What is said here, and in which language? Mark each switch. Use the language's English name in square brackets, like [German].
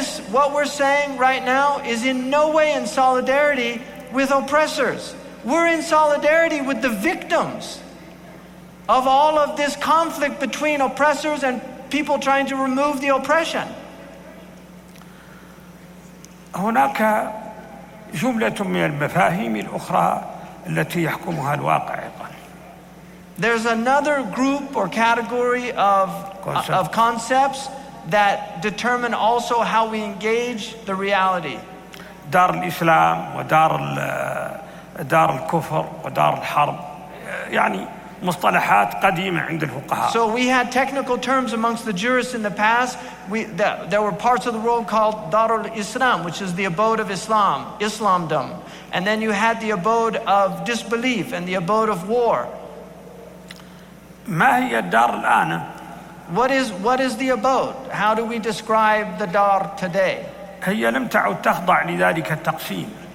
[English] What we're saying right now is in no way in solidarity with oppressors. We're in solidarity with the victims of all of this conflict between oppressors and people trying to remove the oppression. [Arabic] هناك جملة من المفاهيم الأخرى التي يحكمها الواقع. [English] There's another group or category of concepts that determine also how we engage the reality. [Arabic] دار الإسلام ودار دار الكفر ودار الحرب يعني مصطلحات قديمة عند الفقهاء. [English] So we had technical terms amongst the jurists in the past. There were parts of the world called [Arabic] دار الإسلام, [English] which is the abode of Islam, Islamdom. And then you had the abode of disbelief and the abode of war. [Arabic] ما هي الدار الآن؟ [English] What is the abode? How do we describe the dar today? [Arabic] هي لم تعد تخضع لذلك التقسيم.